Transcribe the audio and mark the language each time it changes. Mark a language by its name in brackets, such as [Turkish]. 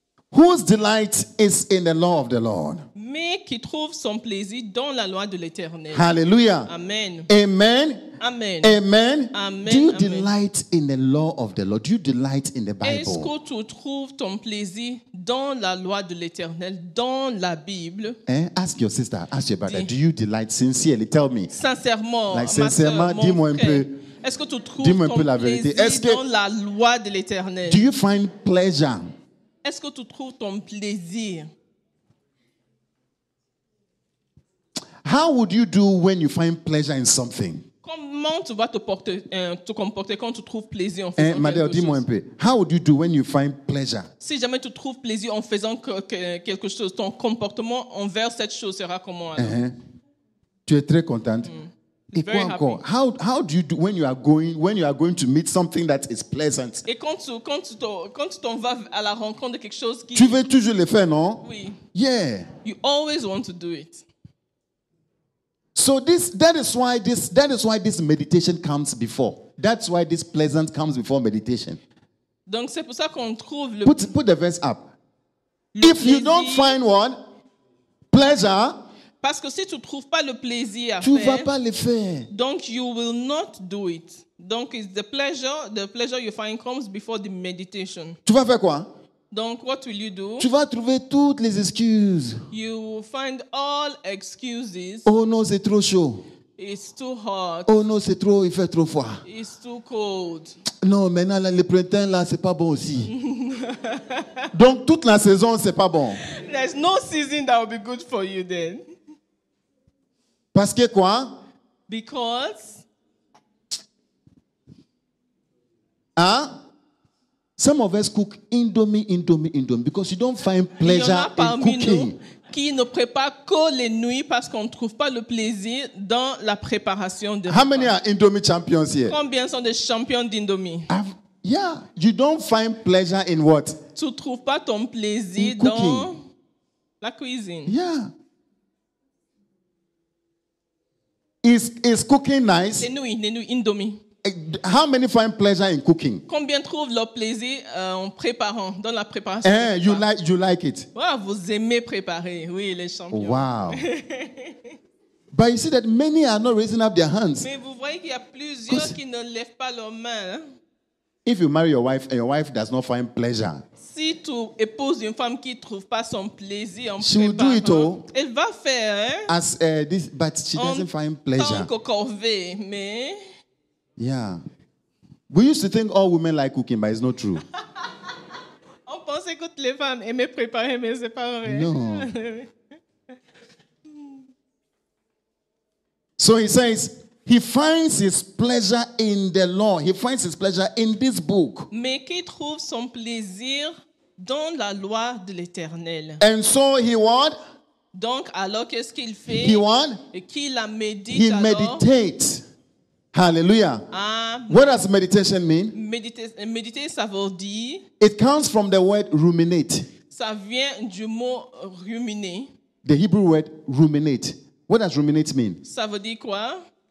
[English] Whose delight is in the law of the Lord? [French] Mais qui trouve son plaisir dans la loi de l'Éternel. [English] Hallelujah. Amen. Amen. Amen. Amen. Amen. Do you Amen. Delight in the law of the Lord? Do you delight in the Bible? [French] Est-ce que tu trouves ton plaisir dans la loi de l'Éternel, dans la Bible? Eh? [English] Ask your sister, ask your brother. Do you delight sincerely? Tell me. [French] Sincèrement. Like, sincèrement, dis-moi un peu. Est-ce que tu trouves ton plaisir dans la loi de l'Éternel? [English] Do you find pleasure? [French] Est-ce que tu trouves ton plaisir? [English] How would you do when you find pleasure in something? [French] Comment tu vas te comporter quand tu trouves plaisir en faisant Madel, quelque dis-moi chose? Un peu. [English] How would you do when you find pleasure? [French] Si jamais tu trouves plaisir en faisant quelque chose, ton comportement envers cette chose sera comment alors? Uh-huh. Tu es très contente. Et quoi encore? [English] How do you do when you are going to meet something that is pleasant? [French] Et quand tu t'en vas à la rencontre de quelque chose qui tu veux toujours le faire, non? Oui. [English] Yeah. You always want to do it. So that is why this meditation comes before. That's why this pleasant comes before meditation. [French] Donc c'est pour ça qu'on trouve le [English] put the verse up. If you don't find one pleasure. [French] Parce que si tu trouves pas le plaisir à tu faire, vas pas le faire. [English] Donc you will not do it. Donc it's the pleasure you find comes before the meditation. [French] Tu vas faire quoi? [English] Donc what will you do? [French] Tu vas trouver toutes les excuses. [English] You will find all excuses. [French] Oh non, c'est trop chaud. [English] It's too hot. [French] Oh non, c'est trop, il fait trop froid. [English] It's too cold. [French] Non, maintenant là, le printemps là, c'est pas bon aussi. Donc toute la saison, c'est pas bon. [English] There's no season that will be good for you then. [French] Parce que quoi? [English] Because. Hein? Some of us cook indomie, because you don't find pleasure in cooking. [French] Il y en a parmi nous qui ne prépare que les nuits parce qu'on ne trouve pas le plaisir dans la préparation de. [English] How many are indomie champions here? [French] Combien sont des champions d'indomie? [English] Yeah, you don't find pleasure in what? [French] Tu trouves pas ton plaisir dans la cuisine. [English] Yeah. Is cooking nice? [French] Les nouilles, indomie. [English] How many find pleasure in cooking? [French] Combien trouvent leur plaisir en préparant, dans la préparation? [English] Eh, you like it? [French] Wow, vous aimez préparer, oui, les champions. Wow. [English] But you see that many are not raising up their hands. [French] Mais vous voyez qu'il y a plusieurs qui ne lèvent pas leurs mains. [English] If you marry your wife and your wife does not find pleasure, [French] si tu épouses une femme qui trouve pas son plaisir en [English] she will do it all. [French] Elle va faire. Hein? [English] As this, but she doesn't find pleasure. [French] En tant que corvée, mais. [English] Yeah, we used to think all women like cooking, but it's not true. [French] On pensait que toutes les femmes aimaient préparer, mais c'est pas vrai. [English] No. So he says. He finds his pleasure in the law. He finds his pleasure in this book. [French] Mais qui trouve son plaisir dans la loi de l'Éternel. [English] And so he what? [French] Donc alors qu'est-ce qu'il fait? [English] He what? [French] Et qu'il la médite [English] he [French] alors? [English] He meditates. Hallelujah. What does meditation mean? [French] Méditer, ça veut dire. [English] It comes from the word ruminate. [French] Ça vient du mot ruminer. [English] The Hebrew word ruminate. What does ruminate mean? [French] Ça veut dire quoi?